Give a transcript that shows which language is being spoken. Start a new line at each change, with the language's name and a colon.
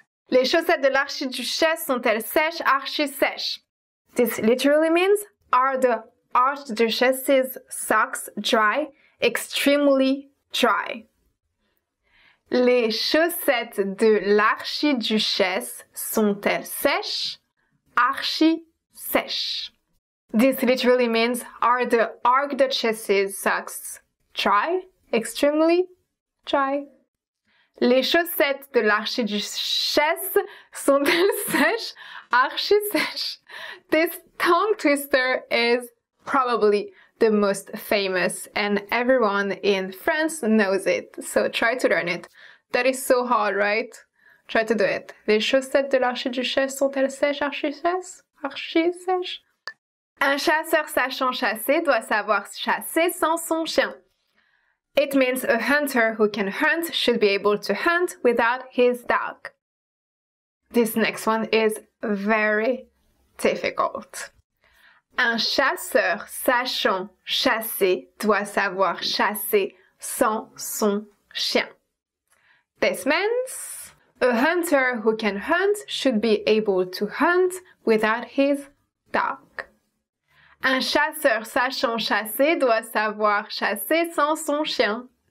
French: Les chaussettes de l'archiduchesse sont-elles sèches, archi sèches?
English: This literally means, are the archduchesse's socks dry? Extremely dry.
French: Les chaussettes de l'archiduchesse sont-elles sèches? Archi sèches.
English: This literally means, are the archduchesse's socks dry? Extremely dry.
French: Les chaussettes de l'archiduchesse sont-elles sèches? Archi sèches.
English: This tongue twister is probably the most famous, and everyone in France knows it. So try to learn it. That is so hard, right? Try to do it.
French: Les chaussettes de l'archiduchesse sont-elles sèches, archi sèches? Archi sèches. Un chasseur sachant chasser doit savoir chasser sans son chien.
English: It means a hunter who can hunt should be able to hunt without his dog. This next one is very difficult.
French: Un chasseur sachant chasser doit savoir chasser sans son chien.
English: This means a hunter who can hunt should be able to hunt without his dog.
French: Un chasseur sachant chasser doit savoir chasser sans son chien.